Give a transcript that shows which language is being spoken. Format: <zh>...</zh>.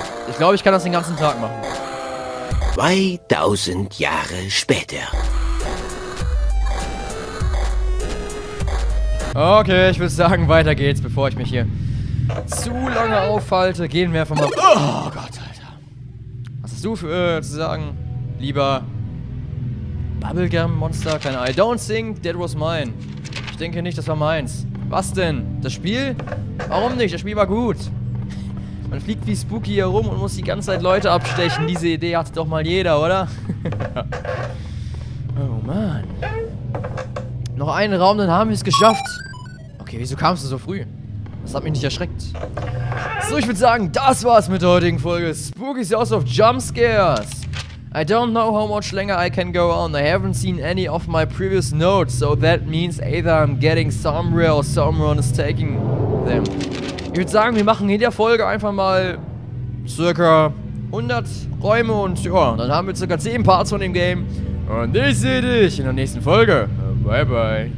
<de>Ich glaube, ich kann das den ganzen Tag machen. 2000 Jahre später. Okay, ich würde sagen, weiter geht's, bevor ich mich hier zu lange aufhalte. Gehen wir einfach mal. Oh Gott, Alter. Was hast du für zu sagen? Lieber Bubblegum Monster, keine Ahnung.</de> <en>I don't think that was mine.</en> <de>Ich denke nicht, das war meins. Was denn? Das Spiel? Warum nicht? Das Spiel war gut. Man fliegt wie Spooky hier rum und muss die ganze Zeit Leute abstechen. Diese Idee hat doch mal jeder, oder? Oh Mann. Noch einen Raum, dann haben wir es geschafft. Okay, wieso kamst du so früh? Das hat mich nicht erschreckt. So, ich würde sagen, das war's mit der heutigen Folge. Spooky's House of Jumpscares.</de> <en>I don't know how much longer I can go on. I haven't seen any of my previous notes. So that means either I'm getting somewhere or someone is taking them.</en> <de>Ich würde sagen, wir machen in der Folge einfach mal circa 100 Räume und ja, dann haben wir circa 10 Parts von dem Game. Und ich sehe dich in der nächsten Folge. Bye bye.</de>